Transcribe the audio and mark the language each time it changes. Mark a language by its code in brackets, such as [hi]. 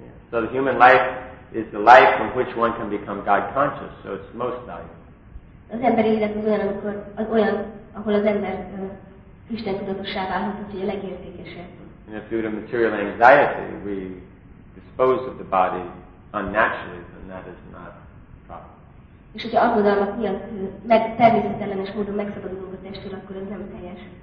[en] So the human life is the life from which one can become God conscious, so it's most valuable. [hu] Az emberi élet az olyan, amikor, az olyan, ahol az ember Isten tudatossá válhat, úgyhogy a legértékesebb. [en] And if due to material anxiety, we dispose of the body unnaturally, then that is not proper. [hu] És hogyha aggodalmak miatt meg természetellenes módon megszabadulunk a testtől, akkor ez nem teljes.